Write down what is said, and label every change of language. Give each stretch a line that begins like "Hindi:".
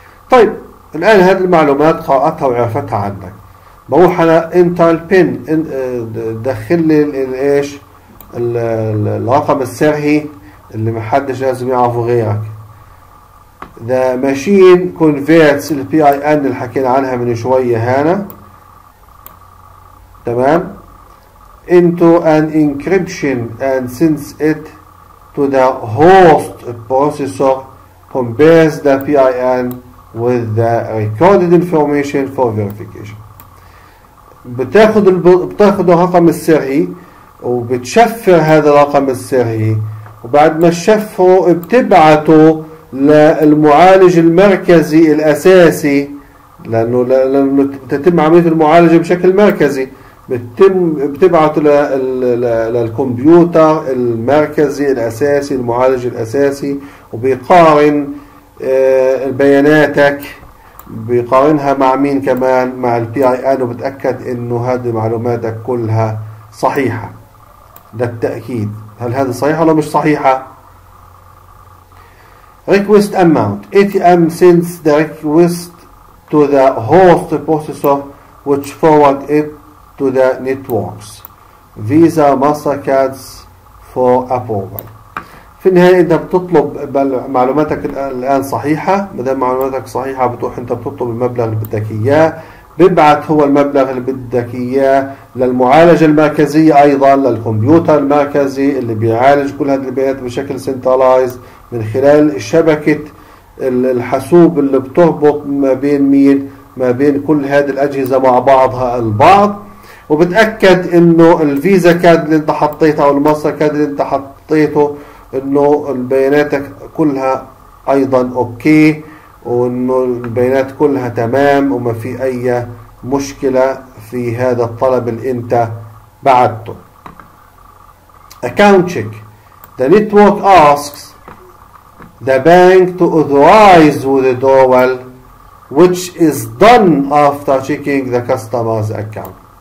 Arabic: طيب الان هذه المعلومات قرأتها وعرفتها عنك، بروح على انتر بين، دخل لي ايش الرقم السري اللي محدش لازم يعرفه غيرك.
English: The machine converts the PIN
Arabic: اللي حكينا عنها من شوية هنا تمام
English: into an encryption and sends it to the host processor compares the PIN with the recorded information for verification.
Arabic: بتاخد الرقم السري وبتشفر هذا الرقم السري، وبعد ما تشفره بتبعته للمعالج المركزي الاساسي، لانه تتم عمليه المعالجه بشكل مركزي، بتبعته للكمبيوتر المركزي الاساسي المعالج الاساسي، وبيقارن بياناتك، بيقارنها مع مين كمان؟ مع البي اي ان، وبتاكد انه هذه معلوماتك كلها صحيحه للتاكيد. هل هذه صحيحه ولا مش صحيحه؟
English: Request amount. ATM sends the request to the host processor which forward it to the networks. Visa, MasterCards for approval.
Arabic: في النهاية أنت بتطلب معلوماتك الآن صحيحة، ما دام معلوماتك صحيحة بتروح أنت بتطلب المبلغ اللي بدك إياه، بيبعث هو المبلغ اللي بدك إياه للمعالجة المركزية أيضا، للكمبيوتر المركزي اللي بيعالج كل هذه البيانات بشكل سنترلايز من خلال شبكة الحاسوب اللي بتربط ما بين مين؟ ما بين كل هذه الأجهزة مع بعضها البعض، وبتأكد إنه الفيزا كاد اللي أنت حطيته أو الماستر كاد اللي أنت حطيته إنه بياناتك كلها أيضا أوكي، وانه البيانات كلها تمام وما في اي مشكلة في هذا الطلب اللي انت بعته.
English: Account check. The network asks the bank to authorize withdrawal, which is done after checking the customer's account.